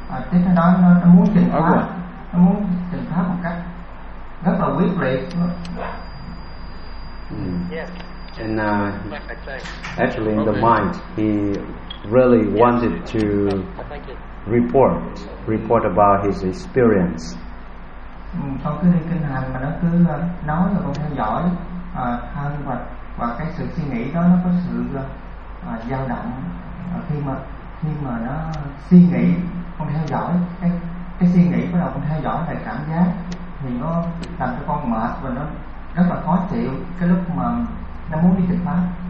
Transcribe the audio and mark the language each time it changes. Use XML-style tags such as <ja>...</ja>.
<vi>Tiếp theo đó nó muốn trình pháp, nó muốn trình pháp một cách rất là quyết liệt.</vi> <en>And actually in the mind he really wanted to report about his experience.</en> <vi>Con cứ đi kinh hành mà nó cứ nói là con theo dõi thân và cái sự suy nghĩ đó nó có sự dao động khi mà nó suy nghĩ. Con theo dõi cái suy nghĩ, bắt đầu con theo dõi lại cảm giác thì nó làm cho con mệt và nó rất là khó chịu cái lúc mà nó muốn đi trình pháp.</vi>